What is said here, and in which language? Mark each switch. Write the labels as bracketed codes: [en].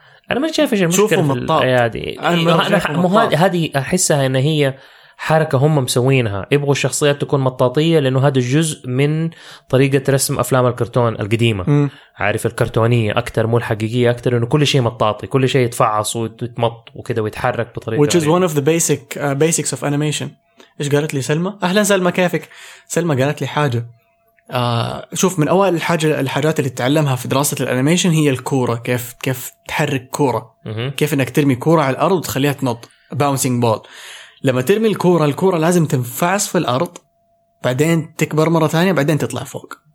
[ar] انا ما شايف ايش المشكله في الايادي، هذه احسها ان هي حركه هم مسوينها، يبغوا الشخصيات تكون مطاطيه لانه هذا جزء من طريقه رسم افلام الكرتون القديمه. عارف الكرتونيه اكثر مو الحقيقيه اكثر، انه كل شيء مطاطي، كل شيء يتفعص ويتمط وكذا ويتحرك بطريقه. [en] Which is one of the basic basics of animation. [ar] ايش قالت لي سلمى؟ اهلا سلمى كيفك. سلمى قالت لي حاجه، شوف من اول الحاجات اللي تتعلمها في دراسه الانيميشن هي الكوره، كيف تحرك كوره، كيف انك ترمي كوره على الارض وتخليها تنط، باونسينج بول. لما ترمي الكوره، الكوره لازم تنفعص في الارض بعدين تكبر مره ثانيه بعدين تطلع فوق